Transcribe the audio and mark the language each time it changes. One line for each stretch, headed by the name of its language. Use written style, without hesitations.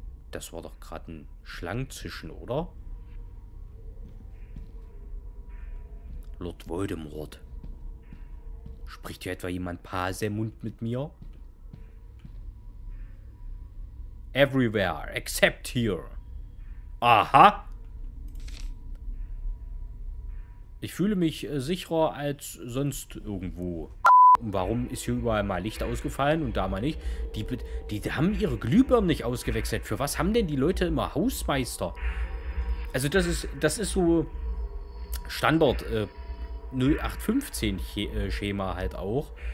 German: Das war doch gerade ein Schlangenzischen, oder? Lord Voldemort. Spricht hier etwa jemand Pasemund mit mir?
English: Everywhere, except here.
German: Aha! Ich fühle mich sicherer als sonst irgendwo. Warum ist hier überall mal Licht ausgefallen und da mal nicht? Die haben ihre Glühbirnen nicht ausgewechselt. Für was haben denn die Leute immer Hausmeister? Also das ist so Standard 0815 Schema halt auch.